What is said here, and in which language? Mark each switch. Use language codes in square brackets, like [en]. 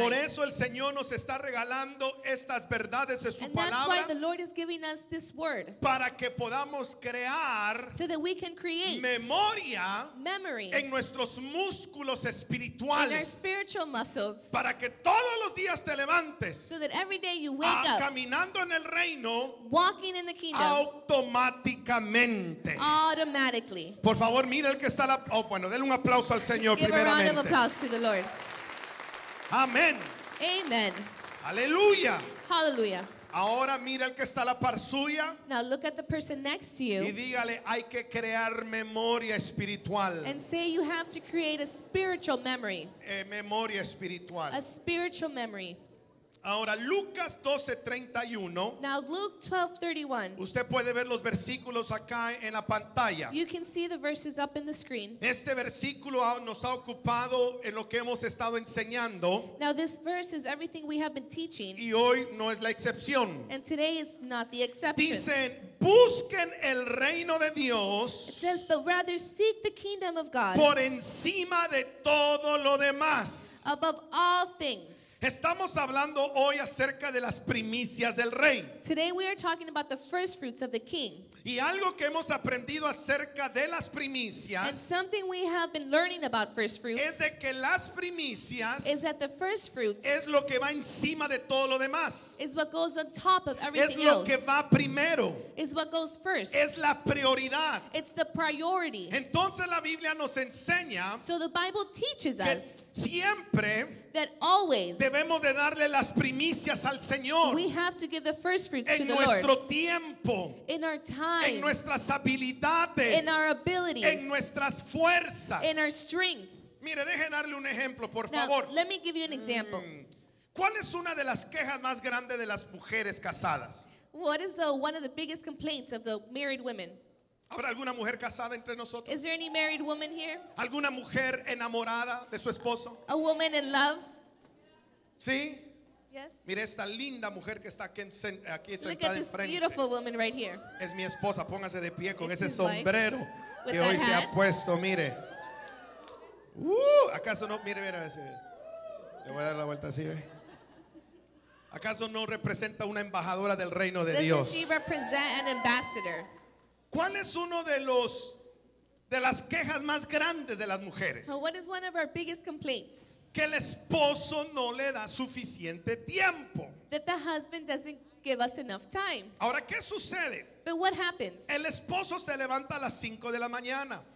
[es] Y por eso el Señor nos está regalando estas verdades de su [en] and [es] palabra. [en] And that's why the Lord is giving us this word. [es] Para que podamos crear. [en] So that we can create. [es] Memoria. [en] Memory. [es] En nuestros músculos espirituales. [en] In our spiritual muscles. [es] Para que todos los días te levantes. [en] So that every day you wake up. [es] Caminando en el reino. [en] Walking in the kingdom. [es] Automáticamente. [en] Automatically. [es] Por favor, mire el que está la. Oh, bueno, denle un aplauso al Señor primeramente. [en] Give a round of applause to the Lord. [es] Amén. [en] Amen. [es] Aleluya. [en] Hallelujah. [es] Ahora mira el que está a la par suya. [en] Now look at the person next to you. [es] Y dígale, hay que crear memoria espiritual. [en] And say you have to create a spiritual memory. [es] Memoria espiritual. [en] A spiritual memory. [es] Ahora Lucas 12:31. [en] Now Luke 12:31. [es] Usted puede ver los versículos acá en la pantalla. [en] You can see the verses up in the screen. [es] Este versículo nos ha ocupado en lo que hemos estado enseñando. [en] Now this verse is everything we have been teaching. [es] Y hoy no es la excepción. [en] And today is not the exception. [es] Dicen, busquen el reino de Dios. [en] It says, but rather seek the kingdom of God. [es] Por encima de todo lo demás. [en] Above all things. [es] Estamos hablando hoy acerca de las primicias del rey. [en] Today we are talking about the first fruits of the king. [es] Y algo que hemos aprendido acerca de las primicias, [en] and something we have been learning about first fruits, [es] es de que las primicias, [en] is that the first fruits, [es] es lo que va encima de todo lo demás, [en] is what goes on top of everything else, [es] es lo [en] else, [es] que va primero, [en] is what goes first, [es] es la prioridad, [en] it's the priority. [es] Entonces la Biblia nos enseña, [en] so the Bible teaches us, [es] siempre, [en] that always [es] debemos de darle las primicias al Señor. [en] We have to give the first fruits to the Lord. [es] En nuestro tiempo. [en] In our time. [es] En nuestras habilidades. [en] In our abilities. [es] En nuestras fuerzas. [en] In our strength. [es] Mire, deje darle un ejemplo, por [en] Now, [es] favor. [en] Let me give you an example. [es] ¿Cuál es una de las quejas más grandes de las mujeres casadas? [en] What is the one of the biggest complaints of the married women? [es] ¿Habrá alguna mujer casada entre nosotros? [en] Is there any married woman here? [es] ¿Alguna mujer enamorada de su esposo? [en] A woman in love? [es] ¿Sí? [en] Yes. [es] Mira esta linda mujer que está aquí sentada enfrente. [en] Look at this beautiful woman right here. [es] Es mi esposa, póngase de pie con ese sombrero que hoy se ha puesto, mire. ¿Acaso no? Mire, mira, le voy a dar la vuelta así, ve. ¿Acaso no representa una embajadora del reino de Dios? [en] Doesn't she represent an ambassador? [es] ¿Cuál es uno de los de las quejas más grandes de las mujeres? [en] So what is one of our biggest complaints? [es] Que el esposo no le da suficiente tiempo. [en] That the husband doesn't give us enough time. [es] Ahora, ¿qué sucede? [en] But what happens? [es] El esposo se levanta a las 5 de la mañana.